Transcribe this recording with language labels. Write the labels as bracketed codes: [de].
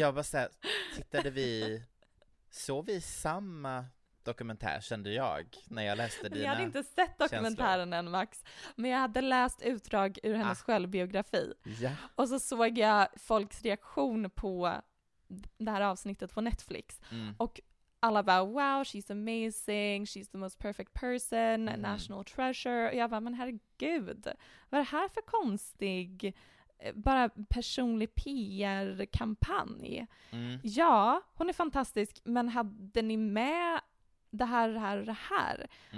[sv] Jag bara såhär, tittade vi, såg vi samma dokumentär kände jag när jag läste dina känslor. Jag hade inte sett dokumentären än, Max, men jag hade läst utdrag ur hennes självbiografi. Ja. Och så såg jag folks reaktion på det här avsnittet på Netflix. Mm. Och alla bara, [en] wow, she's amazing, she's the most perfect person, national treasure. [sv] Och jag bara, men herregud, vad är det här för konstig bara personlig PR-kampanj? Ja, hon är fantastisk, men hade ni med det här.